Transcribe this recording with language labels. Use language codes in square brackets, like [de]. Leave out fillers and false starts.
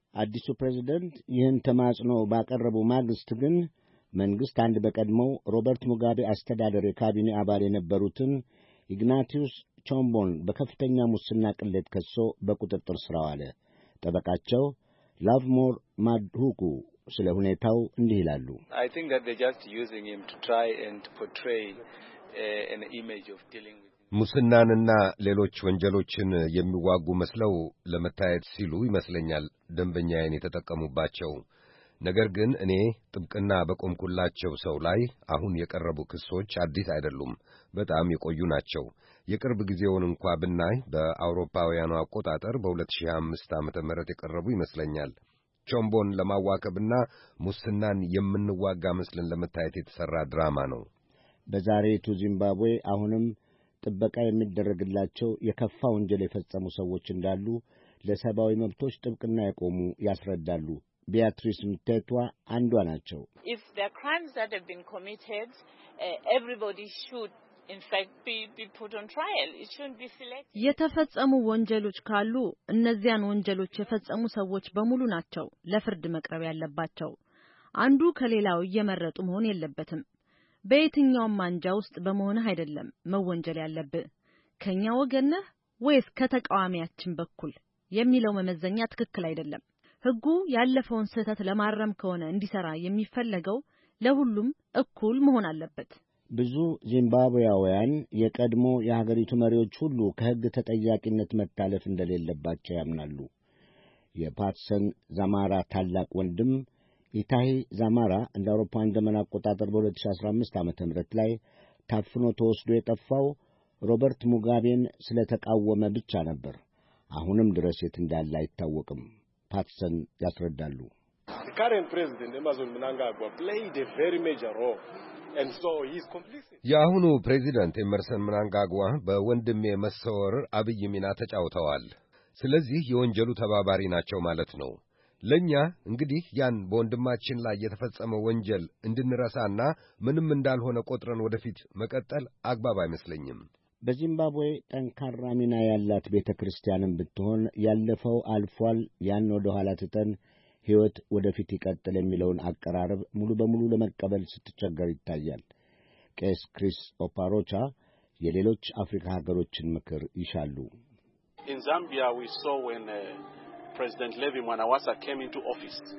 [am] አዲሱ ፕሬዝደንት ይህን ተማጽኖ ባቀረቡ ማግስት ግን መንግስት አንድ በቀድሞው ሮበርት ሙጋቤ አስተዳደር የካቢኔ አባል የነበሩትን ኢግናቲዩስ ቾምቦን በከፍተኛ ሙስና ቅሌት ከሶ በቁጥጥር ስር አዋለ። ጠበቃቸው ላቭሞር ማድሁኩ ስለ ሁኔታው እንዲህ ይላሉ። [en] I think that they're just using him to try and portray an image of dealing with [am] ሙስናንና ሌሎች ወንጀሎችን የሚዋጉ መስለው ለመታየት ሲሉ ይመስለኛል ደንበኛዬን የተጠቀሙባቸው። ነገር ግን እኔ ጥብቅና በቆምኩላቸው ሰው ላይ አሁን የቀረቡ ክሶች አዲስ አይደሉም፣ በጣም የቆዩ ናቸው። የቅርብ ጊዜውን እንኳን ብናይ በአውሮፓውያኑ አቆጣጠር በ2005 ዓመተ ምህረት የቀረቡ ይመስለኛል። ቾምቦን ለማዋከብና ሙስናን የምንዋጋ መስለን ለመታየት የተሰራ ድራማ ነው። በዛሬቱ ዚምባብዌ አሁንም ጥበቃ የሚደረግላቸው የከፋ ወንጀል የፈጸሙ ሰዎች እንዳሉ ለሰባዊ መብቶች ጥብቅና የቆሙ ያስረዳሉ። ቢያትሪስ ምቴቷ አንዷ ናቸው። [en] If the crimes that have been committed, everybody should in fact be put on trial. It shouldn't be selected. [am] የተፈጸሙ ወንጀሎች ካሉ እነዚያን ወንጀሎች የፈጸሙ ሰዎች በሙሉ ናቸው ለፍርድ መቅረብ ያለባቸው። አንዱ ከሌላው እየመረጡ መሆን የለበትም። በየትኛውም ማንጃ ውስጥ በመሆን አይደለም መወንጀል ያለብህ። ከኛ ወገነህ ወይስ ከተቃዋሚያችን በኩል የሚለው መመዘኛ ትክክል አይደለም። ህጉ ያለፈውን ስህተት ለማረም ከሆነ እንዲሰራ የሚፈለገው ለሁሉም እኩል መሆን አለበት። ብዙ ዚምባብዌያውያን የቀድሞ የሀገሪቱ መሪዎች ሁሉ ከህግ ተጠያቂነት መታለፍ እንደሌለባቸው ያምናሉ። የፓትሰን ዛማራ ታላቅ ወንድም ኢታሂ ዛማራ እንደ አውሮፓውያን ዘመን አቆጣጠር በ2015 ዓመተ ምህረት ላይ ታፍኖ ተወስዶ የጠፋው ሮበርት ሙጋቤን ስለተቃወመ ብቻ ነበር። አሁንም ድረስ የት እንዳለ አይታወቅም። ፓትሰን ያስረዳሉ። [en] The current president Emmerson Mnangagwa played a very major role and so he's complicit. [am] የአሁኑ ፕሬዚዳንት ኤመርሰን ምናንጋጓ በወንድሜ መሰወር አብይ ሚና ተጫውተዋል። ስለዚህ የወንጀሉ ተባባሪ ናቸው ማለት ነው። ለኛ እንግዲህ ያን በወንድማችን ላይ የተፈጸመ ወንጀል እንድንረሳና ምንም እንዳልሆነ ቆጥረን ወደፊት መቀጠል አግባብ አይመስለኝም። በዚምባብዌ ጠንካራ ሚና ያላት ቤተክርስቲያንም ብትሆን ያለፈው አልፏል፣ ያን ወደ ኋላ ትተን ህይወት ወደፊት ይቀጥል የሚለውን አቀራረብ ሙሉ በሙሉ ለመቀበል ስትቸገር ይታያል። ቄስ ክሪስ ኦፓሮቻ የሌሎች አፍሪካ ሀገሮችን ምክር ይሻሉ። [en] In Zambia we saw when President Levi Mwanawasa came into office.